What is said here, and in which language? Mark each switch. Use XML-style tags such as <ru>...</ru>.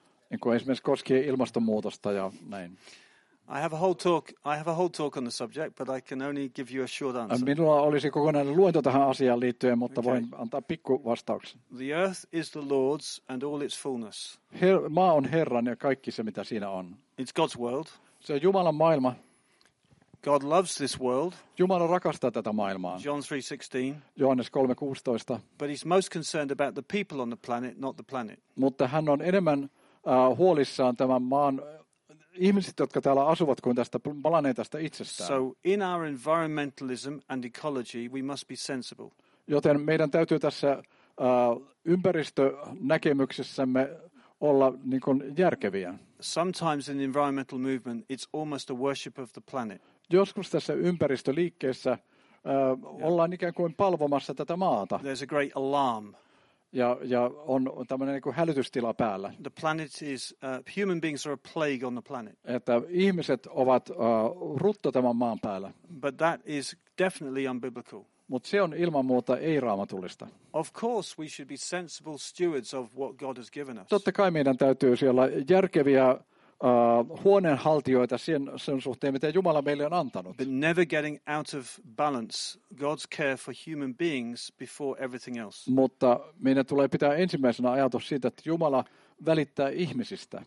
<fi>Niin kuin esimerkiksi koskien ilmastonmuutosta ja näin.</fi> <en>I have a whole talk on the subject, but I can only give you a short answer.</en> <fi>Minulla olisi kokonainen luento tähän asiaan liittyen, mutta okay. Voin antaa pikku vastauksen.</fi> <en>The earth is the Lord's and all its fullness.</en> <fi>Maa on Herran ja kaikki se mitä siinä on.</fi> <en>It's God's world.</en> <fi>Se on Jumalan maailma.</fi> <en>God loves this world.</en> <fi>Jumala rakastaa tätä maailmaa.</fi> <en>John 3:16.</en> <fi>Johannes 3:16.</fi> <en>But he's most concerned about the people on the planet, not the planet.</en> <fi>Mutta hän on enemmän huolissaan tämän maan ihmiset, jotka täällä asuvat, kuin tästä planeetasta itsestään.</fi> <en>So in our environmentalism and ecology, we must be sensible.</en> <fi>Joten meidän täytyy tässä ympäristönäkemyksessämme olla niin kuin järkeviä.</fi> <en>Sometimes in the environmental movement, it's almost a worship of the planet.</en> <fi>Joskus tässä ympäristöliikkeessä ollaan ikään kuin palvomassa tätä maata.</fi> <en>There's a great alarm.</en> <fi>Ja on tämmöinen niin kuin hälytystila päällä.</fi> <en>The planet is human beings are a plague on the planet.</en> <fi>Että ihmiset ovat rutto tämän maan päällä.</fi> <en>But that is definitely unbiblical.</en> <fi>Mut se on ilman muuta ei raamatullista.</fi> <en>Of course we should be sensible stewards of what God has given us.</en> <fi>Totta kai meidän täytyy siellä järkeviä huoneenhaltijoita sen suhteen, mitä Jumala meille on antanut.</fi> <en>But never getting out of balance God's care for human beings before everything else.</en> <fi>Mutta meidän tulee pitää ensimmäisenä ajatus siitä, että Jumala välittää ihmisistä.</fi>